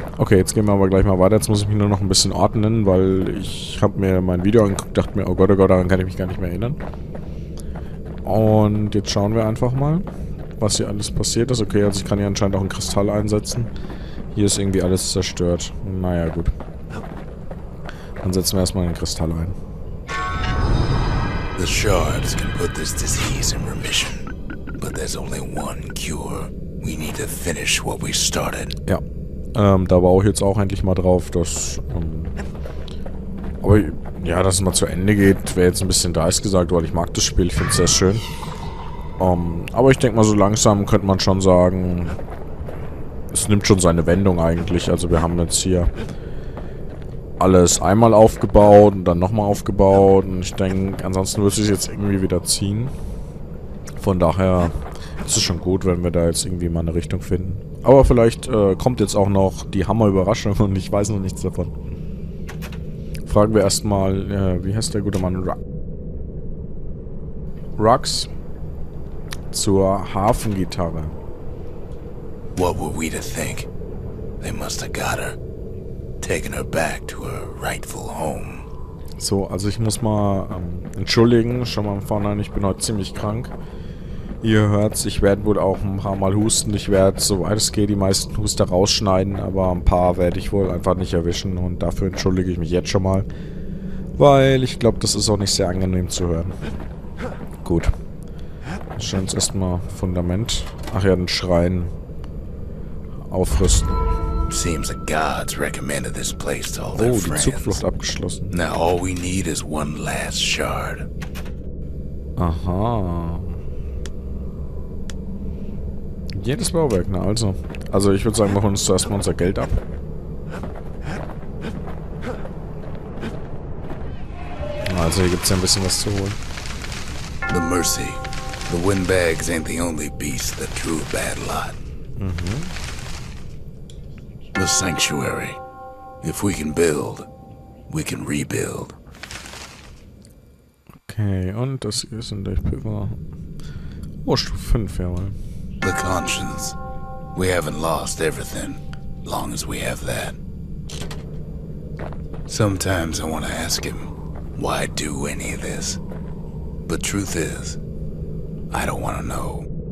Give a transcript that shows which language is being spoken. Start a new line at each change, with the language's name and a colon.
German: Okay, jetzt gehen wir aber gleich mal weiter. Jetzt muss ich mich nur noch ein bisschen ordnen, weil ich habe mir mein Video angeguckt, dachte mir, oh Gott, daran kann ich mich gar nicht mehr erinnern. Und jetzt schauen wir einfach mal, was hier alles passiert ist. Okay, also ich kann hier anscheinend auch einen Kristall einsetzen. Hier ist irgendwie alles zerstört. Naja, gut. Dann setzen wir erstmal einen Kristall ein.
English: The shards can put this disease in remission, but there's only one cure. We need to finish what we started.
German: Ja, da baue ich jetzt auch endlich mal drauf, dass, aber ja, dass es mal zu Ende geht, wäre jetzt ein bisschen dreist gesagt, weil ich mag das Spiel, ich finde es sehr schön. Aber ich denke mal, so langsam könnte man schon sagen, es nimmt schon seine Wendung eigentlich. Also wir haben jetzt hier alles einmal aufgebaut und dann nochmal aufgebaut. Und ich denke, ansonsten würde es jetzt irgendwie wieder ziehen. Von daher ist es schon gut, wenn wir da jetzt irgendwie mal eine Richtung finden. Aber vielleicht kommt jetzt auch noch die Hammerüberraschung und ich weiß noch nichts davon. Fragen wir erstmal, wie heißt der gute Mann? Rux zur Hafengitarre.
English: What were we to think? They must have got her. Taken her back to her rightful home.
German: So, also ich muss mal entschuldigen, schon mal im Vorhinein, ich bin heute ziemlich krank. Ihr hört's, ich werde wohl auch ein paar Mal husten. Ich werde, soweit es geht, die meisten Huster rausschneiden, aber ein paar werde ich wohl einfach nicht erwischen und dafür entschuldige ich mich jetzt schon mal. Weil ich glaube, das ist auch nicht sehr angenehm zu hören. Gut. Wir schauen uns erstmal Fundament. Ach ja, den Schrein. Aufrüsten.
English: Seems the gods recommended this place to all their friends.
German: Oh, die Zugflucht abgeschlossen.
English: Now all we need is one last shard. Aha.
German: Jedes Bauwerk, na also. Also ich würde sagen, wir holen uns zuerst mal unser Geld ab. Also hier gibt es ja ein bisschen was zu holen.
English: The Mercy. The Windbags ain't the only beast that drew a bad lot. Mhm. The Sanctuary. If we can build, we can rebuild.
German: Okay, und das ist in der Pivot. Oh, Stufe 5, jawohl.
English: The conscience. We haven't lost everything, long as we have that. Sometimes I want to ask him, why do any of this? But truth is, I don't want to know.